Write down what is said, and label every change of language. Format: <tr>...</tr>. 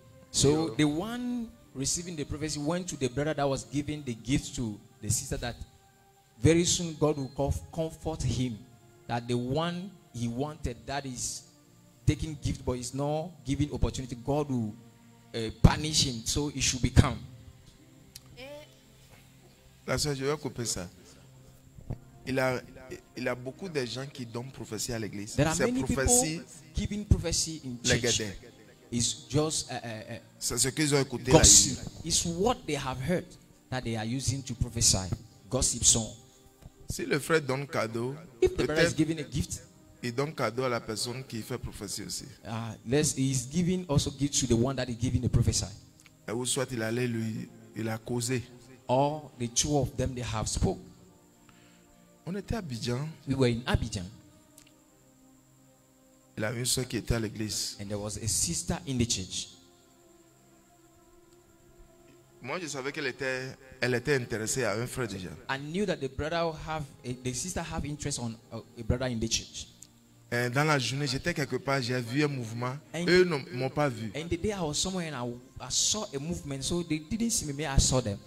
<en>So the one receiving the prophecy went to the brother that was giving the gift to the sister that very soon God will comfort him that the one he wanted that is taking gift but is not giving opportunity God will punish him so he should be calm.</en> <fr>La sœur, je vais couper ça. Il a beaucoup de gens qui donnent prophétie à l'église.</fr> <en>There are many people giving prophecy in church. It's just</en> <fr>c'est ce qu'ils ont écouté</fr> <en>gossip. Là. It's what they have heard that they are using to prophesy. Gossip song.</en> <fr>Si le frère donne cadeau,</fr> <en>if the brother is giving a gift,</en> <fr>il donne cadeau à la personne qui fait prophétie aussi.</fr> <en>He's giving also gift to the one that is giving the prophecy.</en> <fr>Et ou soit il allait lui, il a causé.</fr> <en>Or the two of them they have spoke.</en> <fr>On était à Abidjan.</fr> <en>We were in Abidjan.</en> <fr>Il avait une soeur qui était à l'église.</fr> <en>And there was a sister in the church.</en> <fr>Moi, je savais qu'elle était, elle était intéressée à un frère déjà.</fr> <en>I knew that the brother have, the sister have interest on a brother in the church.</en> <fr>Et dans la journée, j'étais quelque part, j'ai vu un mouvement. And eux ne m'ont pas vu.</fr> <en>And the day I was somewhere and I saw a movement, so they didn't see me, but I saw them.</en>